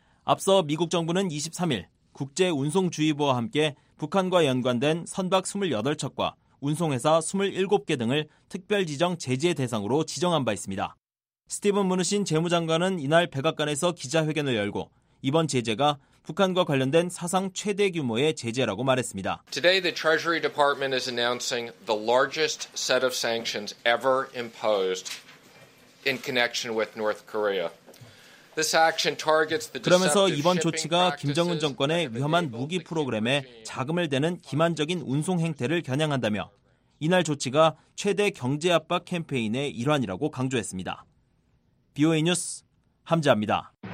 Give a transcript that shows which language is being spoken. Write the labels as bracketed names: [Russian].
[Korean] 앞서 미국 정부는 23일 국제운송주의보와 함께 북한과 연관된 선박 28척과 운송회사 27개 등을 특별지정 제재 대상으로 지정한 바 있습니다. 스티븐 무누신 재무장관은 이날 백악관에서 기자회견을 열고 이번 제재가 북한과 관련된 사상 최대 규모의 제재라고 말했습니다. [English] Today the Treasury Department is announcing the largest set of sanctions ever imposed in connection with North Korea. This action targets the [Korean] 그러면서 이번 조치가 김정은 정권의 위험한 무기 프로그램에 자금을 대는 기만적인 운송 행태를 겨냥한다며 이날 조치가 최대 경제 압박 캠페인의 일환이라고 강조했습니다. BOA 뉴스 함지아입니다.